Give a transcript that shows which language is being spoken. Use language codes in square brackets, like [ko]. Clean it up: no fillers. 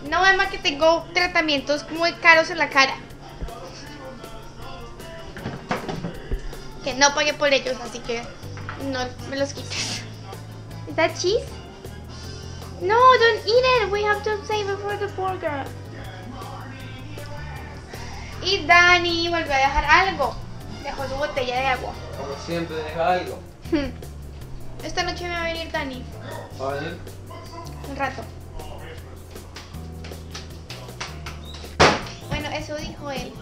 [es] No, Emma, que tengo tratamientos muy caros en la cara. Que no pagué por ellos, así que no me los quites. [en] ¿Es that cheese? No, don't eat it. We have to save it for the burger. [es] Y Dani volvió a dejar algo. Dejó su botella de agua. Como siempre deja algo. Esta noche me va a venir Dani. ¿Va a venir? Un rato. Bueno, eso dijo él.